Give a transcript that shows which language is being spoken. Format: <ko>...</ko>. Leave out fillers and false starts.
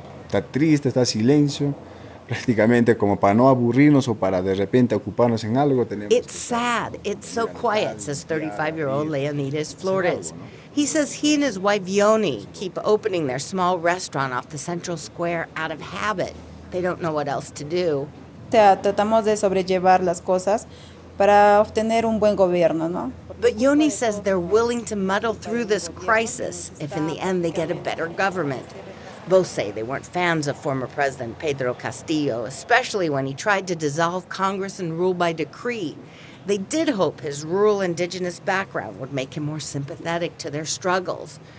<es>Está triste, está silencio, prácticamente como para no aburrirnos o para de repente ocuparnos en algo.</es> <en>It's sad. It's so quiet, says 35-year-old Leonidas Flores. He says he and his wife Yoni keep opening their small restaurant off the central square out of habit. They don't know what else to do.</en> <es>Tratamos de sobrellevar las cosas para obtener un buen gobierno, ¿no?</es> <en>But Yoni says they're willing to muddle through this crisis if in the end they get a better government. Both say they weren't fans of former President Pedro Castillo, especially when he tried to dissolve Congress and rule by decree. They did hope his rural indigenous background would make him more sympathetic to their struggles.</en>